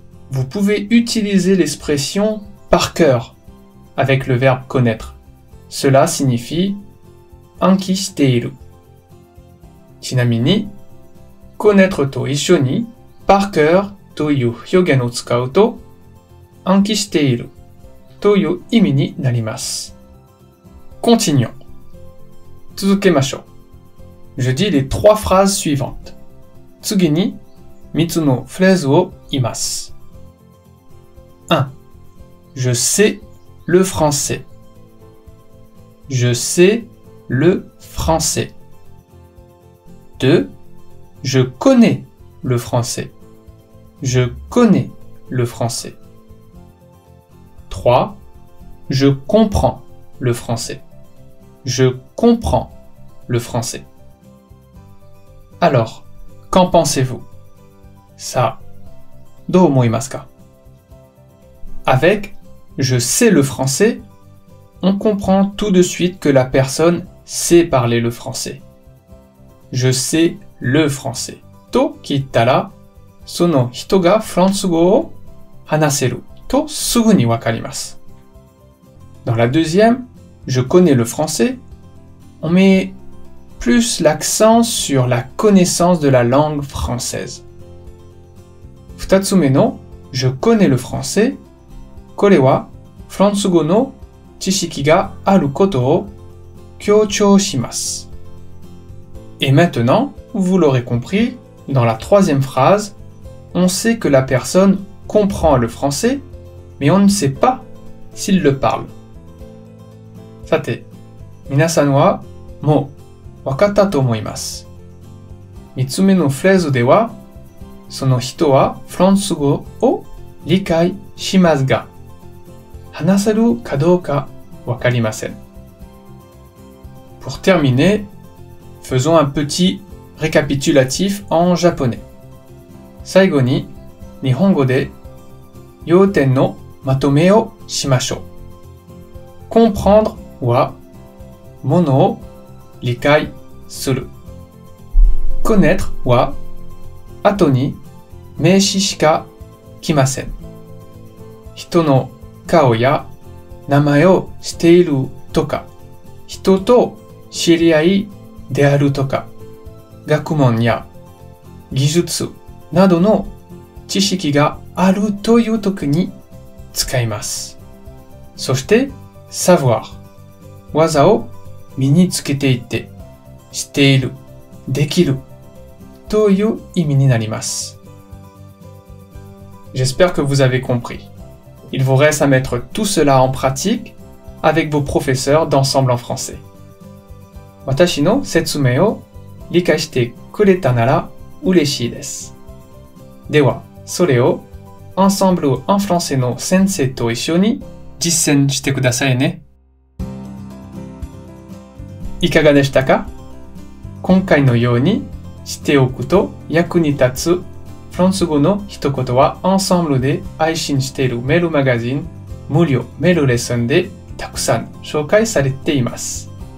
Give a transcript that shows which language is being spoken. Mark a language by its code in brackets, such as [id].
[fr] Vous pouvez utiliser l'expression « par cœur » avec le verbe « connaître ». Cela signifie « [ja] anki shiteiru ». ちなみに、connaître と一緒に「par cœur」という表現を使うと「anki shiteiru」という意味になります。 [fr] Continuons. [ja] 続けましょう。 [fr] Je dis les trois phrases suivantes. [ja] 次に、三つのフレーズを言います。 [fr] 1. Je sais le français. Je sais le français. 2. Je connais le français. Je connais le français. 3. Je comprends le français. Je comprends le français. Alors, qu'en pensez-vous? Ça, [ja] どう思いますか? [fr] Avec « je sais le français », on comprend tout de suite que la personne sait parler le français. « Je sais le français ». [ja] と聞いたら、その人がフランス語を話せるとすぐにわかります。 [fr] Dans la deuxième « je connais le français », on met plus l'accent sur la connaissance de la langue française. [ja] 2つ目の [fr] 「je connais le français » [ja] これはフランス語の知識があることを強調します。 [fr] Et maintenant, vous l'aurez compris, dans la troisième phrase, on sait que la personne comprend le français, mais on ne sait pas s'il le parle. [ja] さて、皆さんはもう分かったと思います。三つ目のフレーズでは、その人はフランス語を理解しますが、話せるかどうか分かりません。 [fr] Pour terminer, faisons un petit récapitulatif en japonais. [ja] 最後に日本語で要点のまとめをしましょう。 Comprendre はものを理解する。 Connaître は後に名詞しか来ません。人の顔や名前をしているとか、人と知り合いであるとか、学問や技術などの知識があるという時に使います。そして、savoir、技を身につけていて、している、できるという意味になります。 [fr] J'espère que vous avez compris. Il vous reste à mettre tout cela en pratique avec vos professeurs d'ensemble en français. [ja] 私の説明を理解してくれたなら嬉しいです。では、それを Ensemble en français の先生と一緒に実践してくださいね。いかがでしたか？今回のようにしておくと役に立つフランス語の一言は Ensemble で配信しているメールマガジン無料メールレッスンでたくさん紹介されています。